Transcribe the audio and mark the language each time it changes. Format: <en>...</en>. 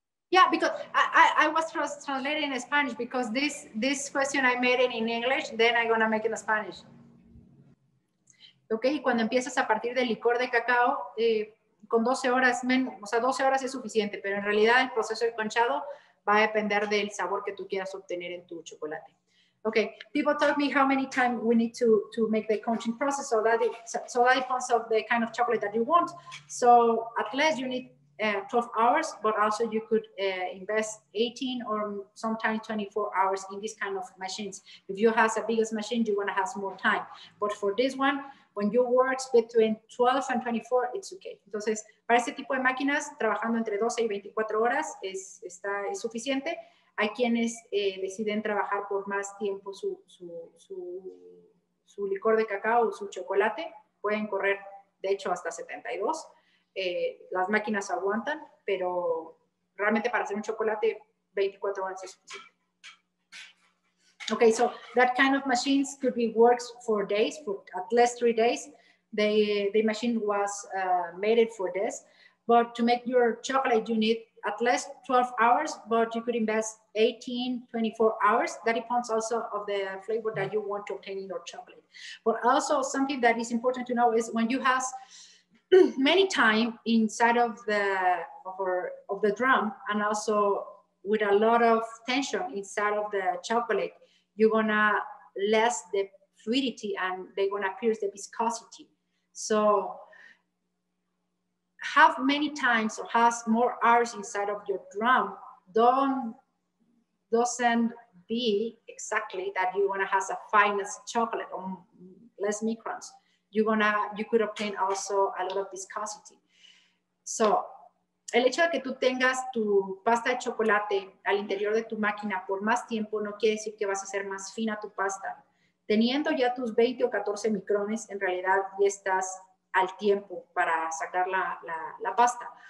<en>Yeah, because I was translating in Spanish, because this question I made it in English, then I'm going to make it in Spanish.</en> <es>Okay, y cuando empiezas a partir del licor de cacao, con 12 horas, o sea, 12 horas es suficiente, pero en realidad el proceso de conchado va a depender del sabor que tú quieras obtener en tu chocolate.</es> <en>Okay, people told me how many times we need to make the conching process, so that depends of the kind of chocolate that you want. So at least you need 12 hours, but also you could invest 18 or sometimes 24 hours in these kind of machines. If you have a biggest machine, you want to have more time. But for this one, when you work between 12 and 24, it's okay. Entonces, para este tipo de máquinas, trabajando entre 12 y 24 horas es suficiente. Hay quienes deciden trabajar por más tiempo su licor de cacao o su chocolate. Pueden correr, de hecho, hasta 72. Las máquinas aguantan, pero realmente para hacer un chocolate, 24 horas es suficiente. Okay, so that kind of machines could be works for days, for at least 3 days. The machine was made for this. But to make your chocolate, you need at least 12 hours, but you could invest 18, 24 hours. That depends also of the flavor that you want to obtain in your chocolate. But also something that is important to know is when you have many time inside of the drum, and also with a lot of tension inside of the chocolate, you're gonna less the fluidity and they're gonna pierce the viscosity. So have many times or has more hours inside of your drum doesn't be exactly that you want to have a finest chocolate or less microns. You could obtain also a lot of viscosity.</en> <es>So el hecho de que tú tengas tu pasta de chocolate al interior de tu máquina por más tiempo no quiere decir que vas a hacer más fina tu pasta. Teniendo ya tus 20 o 14 micrones, en realidad ya estás al tiempo para sacar la pasta.</es>